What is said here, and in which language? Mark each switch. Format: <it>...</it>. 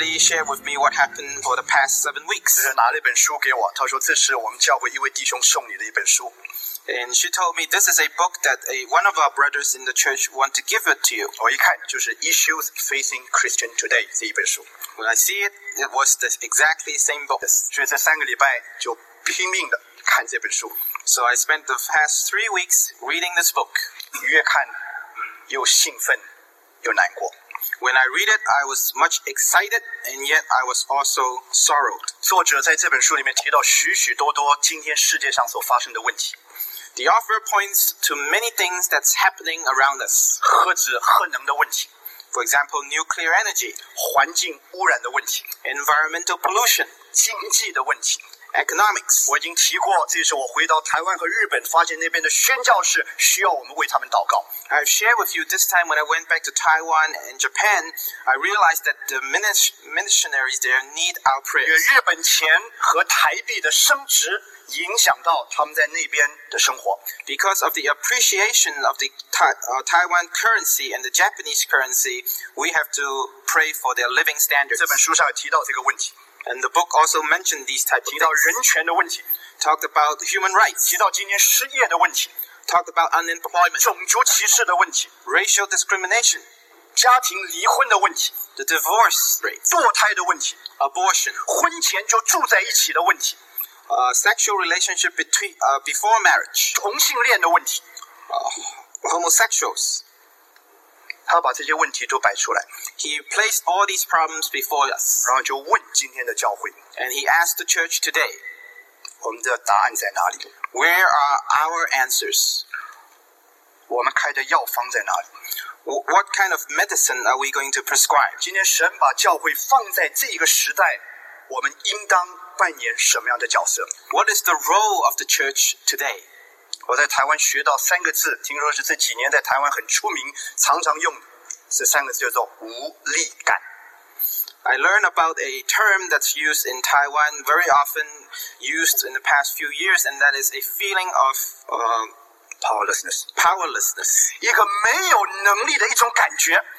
<en>Lee shared with me what happened for the past 7 weeks。</en> <zh>她拿了一本书给我，她说这是我们教会一位弟兄送你的一本书。</zh> <en>And she told me this is a book that one of our brothers in the church want to give it to you。</en> <zh>我一看就是 Issues Facing Christian Today 这一本书。</zh> <en>When I see it, it was the exactly same book。</en> <zh>所以这三个礼拜就拼命的看这本书。</zh> <en>So I spent the past 3 weeks reading this book.</en> <zh>越看又兴奋又难过。</zh> <en>When I read it, I was much excited, and yet I was also sorrowed.</en> <zh>作者在这本书里面提到许许多多今天世界上所发生的问题。</zh> <en>The author points to many things that's happening around us.</en> <zh>核子核能的问题。</zh> <en>For example, nuclear energy.</en> <zh>环境污染的问题。</zh> <en>Environmental pollution.</en> <zh>经济的问题。Economics. 我已经提过，这是我回到台湾和日本，发现那边的宣教士需要我们为他们祷告。</zh> <en>I shared with you this time when I went back to Taiwan and Japan, I realized that the missionaries there need our prayers.</en> <zh>因为日本钱和台币的升值影响到他们在那边的生活。</zh> <en>Because of the appreciation of the Taiwan currency and the Japanese currency, we have to pray for their living standards.</en> <zh>这本书上有提到这个问题。</zh> <en>And the book also mentioned these types of things.</en> <zh>提到人权的问题。</zh> <en>Talked about human rights.</en> <zh>提到今年失业的问题。</zh> <en>Talked about unemployment.</en> <zh>种族歧视的问题。</zh> <en>Racial discrimination.</en> <zh>家庭离婚的问题。</zh> <en>The divorce rate.</en> <zh>堕胎的问题。</zh> <en>Abortion.</en> <zh>婚前就住在一起的问题。</zh> <en>Sexual relationship before marriage.</en> <zh>同性恋的问题。</zh> <en>Homosexuals.</en> <zh>他把这些问题都摆出来。</zh> <en>He placed all these problems before us.</en> <zh>然后就问今天的教会。</zh> <en>And he asked the church today.</en> <zh>我们的答案在哪里？</zh> <en>Where are our answers?</en> <zh>我们开的药方在哪里？</zh> <en>What kind of medicine are we going to prescribe?</en> <zh>今天神把教会放在这个时代，我们应当扮演什么样的角色？</zh> <en>What is the role of the church today?</en> <zh>我在台湾学到三个字，听说是这几年在台湾很出名，常常用的，这三个字叫做无力感。</zh> <en>I learned about a term that's used in Taiwan very often used in the past few years, and that is a feeling of powerlessness. Powerlessness.</en> <zh>一个没有能力的一种感觉。</zh>